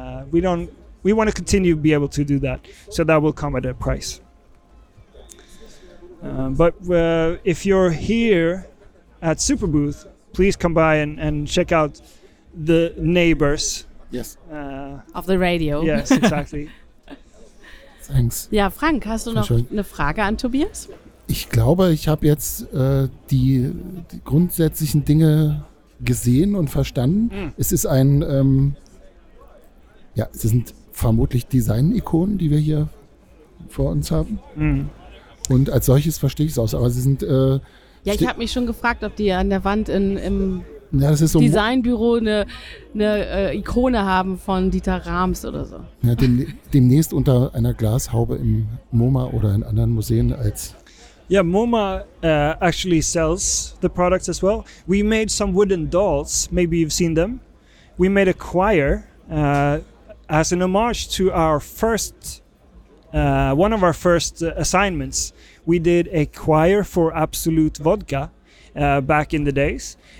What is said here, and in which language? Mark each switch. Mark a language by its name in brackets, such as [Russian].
[English] We want to continue to be able to do that. So that will come at a price. But if you're here at Superbooth, please come by and check out the neighbors. Yes. Of the radio. Yes, exactly. Thanks. [German] Ja, Frank, hast du noch eine Frage an Tobias? Ich glaube, ich habe jetzt die grundsätzlichen Dinge gesehen und verstanden. Mm. Es ist ein, es sind vermutlich Design-Ikonen, die wir hier vor uns haben. Mm. Und als solches verstehe ich es aus, aber sie sind... ich habe mich schon gefragt, ob die an der Wand im ja, das ist so Designbüro eine Ikone haben von Dieter Rams oder so. Ja, demnächst unter einer Glashaube im MoMA oder in anderen Museen als... [English] Yeah, MoMA actually sells the products as well. We made some wooden dolls, maybe you've seen them. We made a choir as an homage to our first, one of our first assignments. We did a choir for Absolute Vodka back in the days.